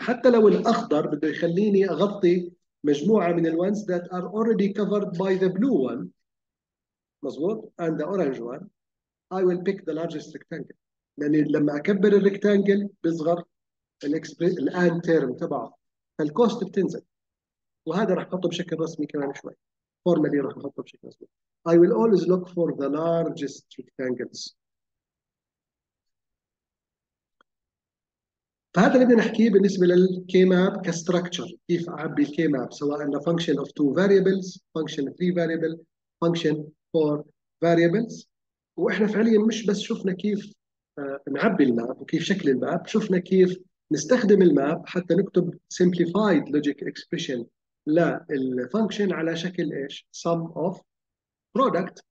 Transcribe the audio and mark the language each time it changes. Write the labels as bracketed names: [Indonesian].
[Arabic] حتى لو الاخضر بده يخليني اغطي مجموعه من الونز [English] that are already covered by the blue one, [Arabic] مزبوط، [English] and the orange one, I will pick the largest rectangle, [Arabic] لاني لما اكبر الريكتانجل بيصغر الان ترم تبعه، فالكوست بتنزل. وهذا راح احطه بشكل رسمي كمان شوي، فورمالي راح نحطه بشكل رسمي. [English] I will always look for the largest rectangles. [Arabic] فهذا اللي بدنا نحكيه بالنسبه للكي ماب كستراكشر، كيف اعبي الكي ماب، سواء انه فانكشن اوف تو فاريبلز، فانكشن اوف ثري فاريبل، [English] function for variables. [Arabic] واحنا فعليا مش بس شفنا كيف نعبي الماب وكيف شكل الماب، شفنا كيف نستخدم الماب حتى نكتب simplified logic expression للفانكشن على شكل ايش؟ sum of product.